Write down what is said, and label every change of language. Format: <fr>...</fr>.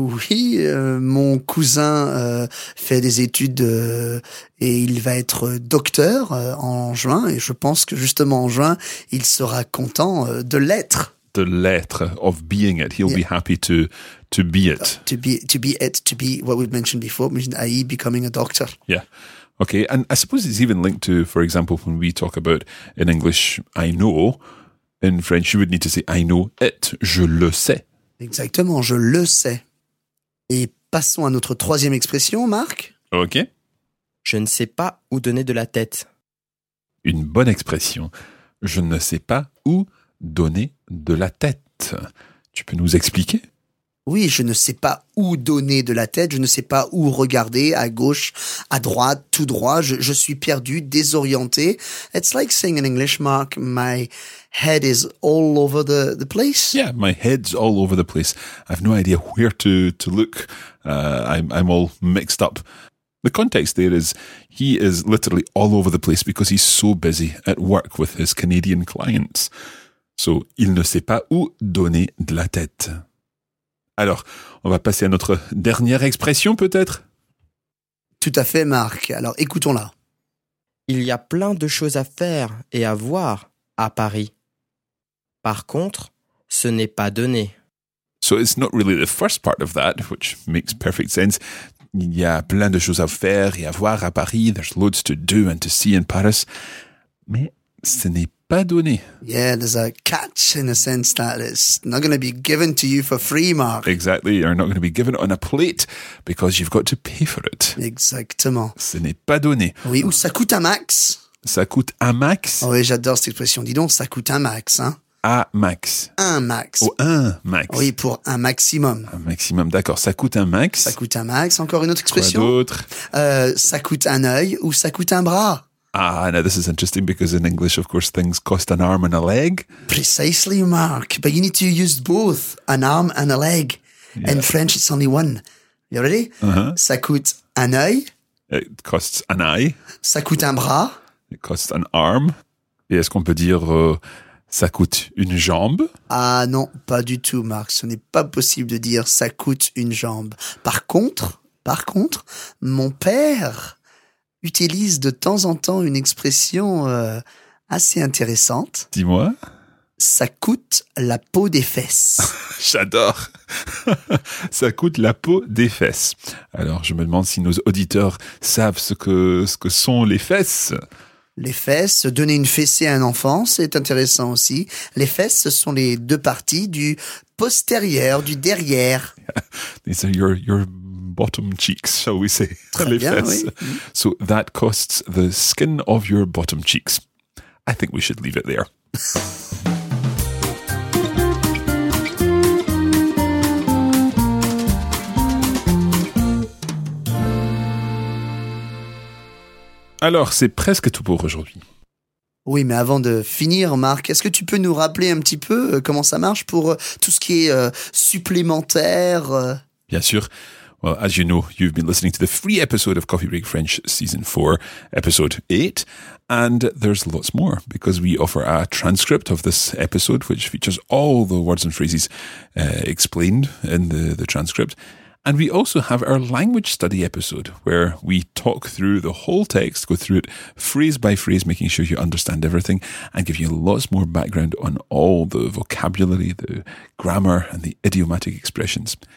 <fr>Mon cousin fait des études et il va être docteur en juin, et je pense que justement en juin il sera content de l'être. De l'être,</fr> <en>of being it, he'll be happy to be it. To be what we've mentioned before, i.e. becoming a doctor. Yeah, okay, and I suppose it's even linked to, for example, when we talk about in English, I know, in French you would need to say I know it,</en> <fr>je le sais. Exactement, je le sais. Et passons à notre troisième expression, Marc. Ok. Je ne sais pas où donner de la tête. Une bonne expression. Je ne sais pas où donner de la tête. Tu peux nous expliquer ? Oui, je ne sais pas où donner de la tête. Je ne sais pas où regarder, à gauche, à droite, tout droit. Je suis perdu, désorienté.</fr> <en>It's like saying in English, Mark, my head is all over the place. Yeah, my head's all over the place. I've no idea where to look. I'm all mixed up. The context there is he is literally all over the place because he's so busy at work with his Canadian clients.</en> <fr>So, il ne sait pas où donner de la tête. Alors, on va passer à notre dernière expression, peut-être ? Tout à fait, Marc. Alors, écoutons-la. Il y a plein de choses à faire et à voir à Paris. Par contre, ce n'est pas donné.</fr> <en>So it's not really the first part of that, which makes perfect sense.</en> <fr>Il y a plein de choses à faire et à voir à Paris.</fr> <en>There's loads to do and to see in Paris.</en> <fr>Mais ce n'est pas donné.</fr> <en>Yeah, there's a catch in a sense that it's not going to be given to you for free, Mark. Exactly, you're not going to be given it on a plate because you've got to pay for it.</en> <fr>Exactement. Ce n'est pas donné. Oui, ou ça coûte un max. Ça coûte un max. Oh, oui, j'adore cette expression. Dis donc, ça coûte un max, hein? À max. Un max. Ou un max. Oui, pour un maximum. Un maximum, d'accord. Ça coûte un max. Ça coûte un max. Encore une autre expression. Quoi d'autre ? Ça coûte un œil ou ça coûte un bras.</fr> <en>Ah, now this is interesting because in English, of course, things cost an arm and a leg. Precisely, Mark. But you need to use both, an arm and a leg. Yeah. In French, it's only one. You ready? Uh-huh.</en> <fr>Ça coûte un œil.</fr> <en>It costs an eye.</en> <fr>Ça coûte un bras.</fr> <en>It costs an arm.</en> <fr>Et est-ce qu'on peut dire... ça coûte une jambe? Ah non, pas du tout, Marc. Ce n'est pas possible de dire ça coûte une jambe. Par contre, mon père utilise de temps en temps une expression assez intéressante. Dis-moi. Ça coûte la peau des fesses. J'adore. Ça coûte la peau des fesses. Alors, je me demande si nos auditeurs savent ce que sont les fesses. Les fesses, donner une fessée à un enfant, c'est intéressant aussi. Les fesses, ce sont les deux parties du postérieur, du derrière.</fr> <en>Yeah. These are your bottom cheeks, shall we say.</en> <fr>Très les bien, fesses. Oui.</fr> <en>So that costs the skin of your bottom cheeks. I think we should leave it there.</en> <fr>Alors, c'est presque tout pour aujourd'hui. Oui, mais avant de finir, Marc, est-ce que tu peux nous rappeler un petit peu comment ça marche pour tout ce qui est supplémentaire? Bien sûr.</fr> <en>Well, as you know, you've been listening to the free episode of Coffee Break French Season 4, Episode 8, and there's lots more because we offer a transcript of this episode, which features all the words and phrases explained in the transcript. And we also have our language study episode where we talk through the whole text, go through it phrase by phrase, making sure you understand everything and give you lots more background on all the vocabulary, the grammar and the idiomatic expressions.</en>